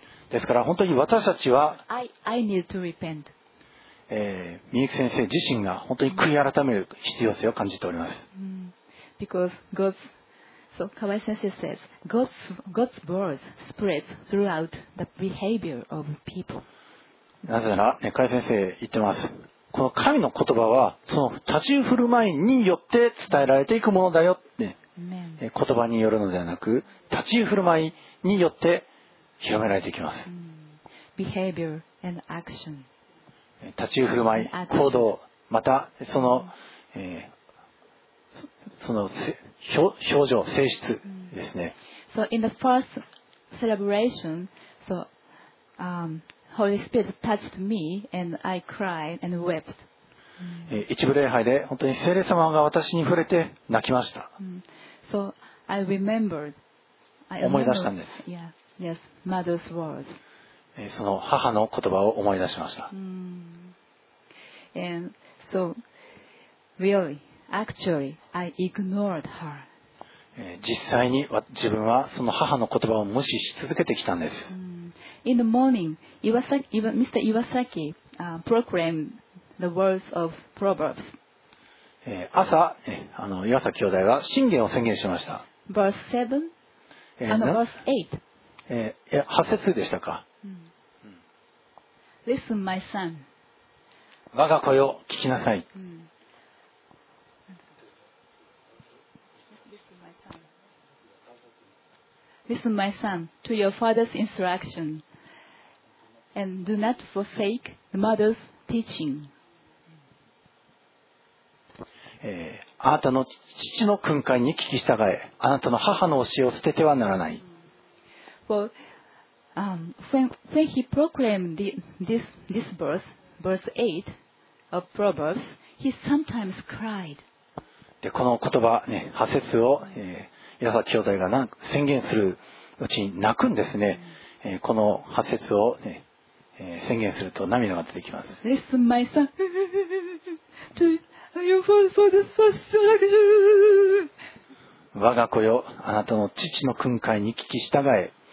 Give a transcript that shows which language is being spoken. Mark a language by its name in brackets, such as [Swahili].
[Japanese] ですから本当に私たちは [English] I need to repent. [Japanese] 三木先生自身が本当に悔い改める必要性を感じております。 [English] Because God's, so Kawai Sensei says, God's word spreads throughout the behavior of people. [Japanese] なぜなら、ね、Kawai Sensei言ってます。この神の言葉はその立ち振る舞いによって伝えられていくものだよって。言葉によるのではなく立ち振る舞いによって広められていきます。 [English] Behavior and action. [Japanese] 立ち振る舞い行動またその、その表情性質ですね。 [English] So in the first celebration, so, Holy Spirit touched me and I cried and wept. [Japanese] 一部礼拝で本当に聖霊様が私に触れて泣きました。 [English] So I remembered. I remember, [Japanese] 思い出したんです。 [English] Yeah, yes, mother's words. [Japanese] その母の言葉を思い出しました。 [English] And so, really, actually, I ignored her. [Japanese] 実際に自分はその母の言葉を無視し続けてきたんです。 [English] In the morning, Mr. Iwasaki proclaimed the words of Proverbs. [Japanese] 朝あの岩崎兄弟が箴言を宣言しました。 [English] verse 7 and verse 8 [Japanese] 8節でしたか。 [English] Listen my son [Japanese] 我が子よ聞きなさい。 [English] Listen my son to your father's instruction and do not forsake the mother's teaching。 [Japanese] あなたの父の訓戒に聞き従え、あなたの母の教えを捨ててはならない。 [English] Well, when he proclaimed this verse 8 of Proverbs, he sometimes cried. [Japanese] で、この言葉ね、破説を、矢崎兄弟が宣言するうちに泣くんですね。この破説を、ね、宣言すると涙が出てきます。 [English] Listen, my son. to... Your father's instruction. [Japanese] 我が子よ、あなたの父の訓戒に聞き従え。